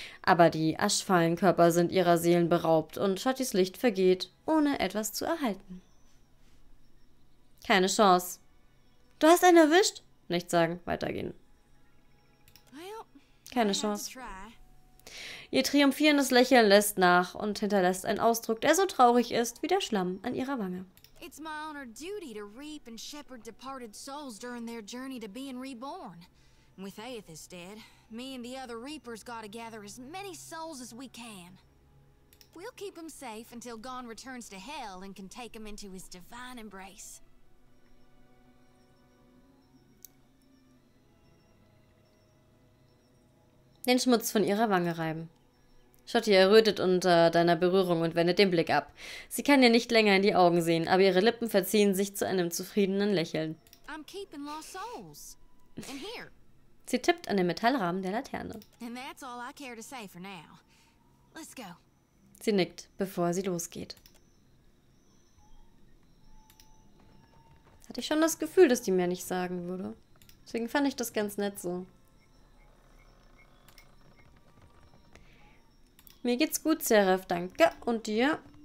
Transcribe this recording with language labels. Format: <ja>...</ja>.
<de>Aber die Aschfallenkörper sind ihrer Seelen beraubt und Shottys Licht vergeht, ohne etwas zu erhalten. Keine Chance. Du hast einen erwischt? Nichts sagen, weitergehen. Keine Chance. Ihr triumphierendes Lächeln lässt nach und hinterlässt einen Ausdruck, der so traurig ist wie der Schlamm an ihrer Wange.</de> <en>It's my honor duty to reap and shepherd departed souls during their journey to being reborn. With Aethys dead, me and the other reapers gotta gather as many souls as we can. We'll keep him safe until Gon returns to hell and can take him into his divine embrace.</en> <de>Den Schmutz von ihrer Wange reiben. Shotty errötet unter deiner Berührung und wendet den Blick ab. Sie kann dir nicht länger in die Augen sehen, aber ihre Lippen verziehen sich zu einem zufriedenen Lächeln.</de> <en>I'm keeping lost souls. And here.</en> <de>Sie tippt an den Metallrahmen der Laterne.</de> <en>And that's all I care to say for now. Let's go.</en> <de>Sie nickt, bevor sie losgeht. Hatte ich schon das Gefühl, dass die mir nicht sagen würde. Deswegen fand ich das ganz nett so. Mir geht's gut, Seraph, danke. Und dir?</de>